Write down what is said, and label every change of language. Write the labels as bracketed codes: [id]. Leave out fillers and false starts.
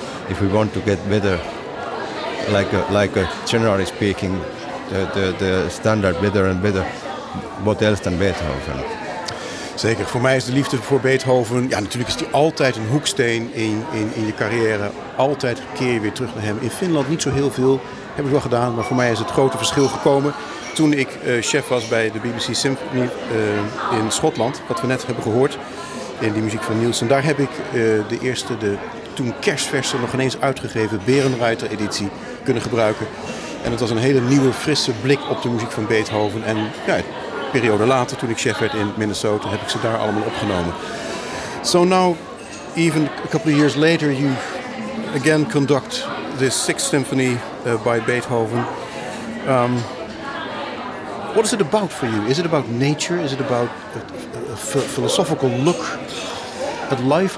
[en] If we want to get better. Like a generally speaking, the standard better and better. What else than Beethoven? [nl] Zeker. Voor mij is de liefde voor Beethoven. Ja, natuurlijk is die altijd een hoeksteen in je carrière. Altijd keer je weer terug naar hem. In Finland niet zo heel veel. Heb ik wel gedaan. Maar voor mij is het grote verschil gekomen toen ik chef was bij de BBC Symphony in Schotland, wat we net hebben gehoord in die muziek van Nielsen. Daar heb ik de toen kerstverse nog ineens uitgegeven Berenreiter editie kunnen gebruiken. En het was een hele nieuwe, frisse blik op de muziek van Beethoven. En ja, een periode later, toen ik chef werd in Minnesota, heb ik ze daar allemaal opgenomen. [en] So now, even a couple of years later, you again conduct this sixth symphony by Beethoven. What is it about for you? Is it about nature? Is it about a philosophical look at life?